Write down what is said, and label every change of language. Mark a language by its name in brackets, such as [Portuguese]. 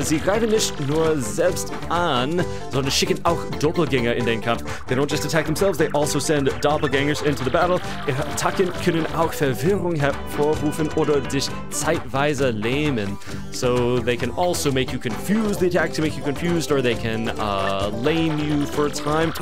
[German] Sie greifen nicht nur selbst an, sondern schicken auch Doppelgänger in den Kampf. [English] They don't just attack themselves, they also send Doppelgängers into the battle. [German] Ihre Attacken können auch Verwirrung hervorrufen oder dich zeitweise lähmen. [English] So they can also make you confused, the attack to make you confused, or they can lame you for a time.